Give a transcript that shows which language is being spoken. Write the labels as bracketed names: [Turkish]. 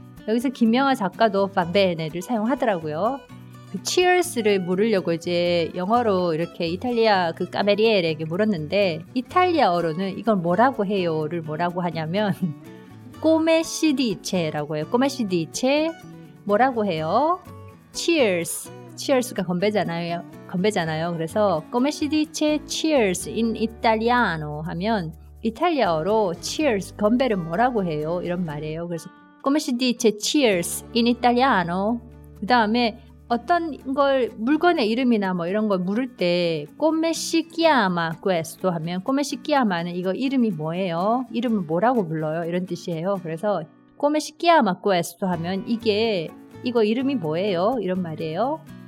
[Korean] 여기서 김영하 작가도 [Italian] va bene [Korean] 를 사용하더라고요. 그 치얼스를 물으려고 이제 영어로 이렇게 이탈리아 그 까메리엘에게 물었는데 이탈리아어로는 이걸 뭐라고 해요를 뭐라고 하냐면 꼬메시디체라고 해요. [Italian] 꼬메시디체 [Korean] 뭐라고 해요? 치얼스 cheers가 건배잖아요. 건배잖아요. 그래서 [Italian] come si dice cheers in italiano [Korean] 하면 이탈리아어로 cheers 건배를 뭐라고 해요? 이런 말이에요. [Italian] 그래서 come si dice cheers in italiano. [Korean] 그 다음에 어떤 걸 물건의 이름이나 뭐 이런 걸 물을 때 [Italian] come si chiama questo [Korean] 하면 [Italian] come si chiama [Korean] 는 이거 이름이 뭐예요? 이름을 뭐라고 불러요? 이런 뜻이에요. 그래서 [Italian] come si chiama questo [Korean] 하면 이게 이거 이름이 뭐예요? 이런 말이에요.